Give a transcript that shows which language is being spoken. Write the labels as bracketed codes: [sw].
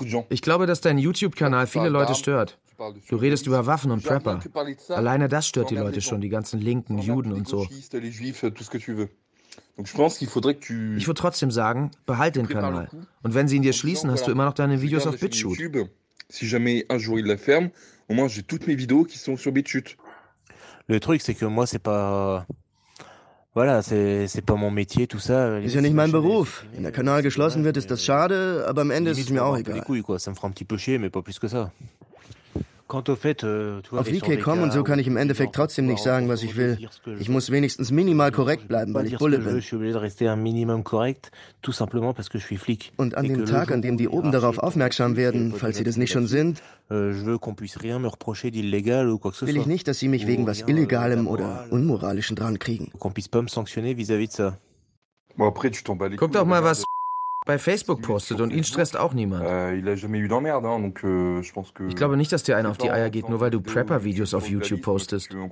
[de] Ich glaube, dass dein YouTube-Kanal viele Leute stört. Du redest über Waffen und Prepper. Alleine das stört die Leute schon, die ganzen Linken, Juden und so. Ich würde trotzdem sagen, behalt den Kanal. Und wenn sie ihn dir schließen, hast du immer noch deine Videos auf BitChute. [fr] Si jamais un jour il la ferme, au moins j'ai toutes mes vidéos qui sont sur BitChute. Le truc c'est que moi c'est pas voilà, c'est pas mon métier tout ça. [de] Ist ja nicht mein Beruf. Wenn der Kanal geschlossen wird, ist das schade, aber am Ende ist es mir auch egal. [fr] Du coup, ça me fera un petit peu chier mais pas plus que ça. Quand au fait tu vas sur [de] VK.com und so kann ich im Endeffekt trotzdem nicht sagen, was ich will. Ich muss wenigstens minimal korrekt bleiben, weil ich Bulle bin. [fr] Je suis obligé de rester un minimum correct tout simplement parce que je suis flic. [de] Und an dem Tag, an dem die oben darauf aufmerksam werden, falls sie das nicht schon sind, [fr] je veux qu'on puisse rien me reprocher d'illégal ou quoi que ce soit. [de] Will ich nicht, dass sie mich wegen was illegalem oder unmoralischem dran kriegen. [fr] Qu'on puisse pas me sanctionner vis-à-vis de ça. Bon après tu t'en bats les couilles. [de] Guck doch mal, was bei Facebook postet und ihn stresst auch niemand. Ich glaube nicht, dass dir einer auf die Eier geht, nur weil du Prepper-Videos auf YouTube postest.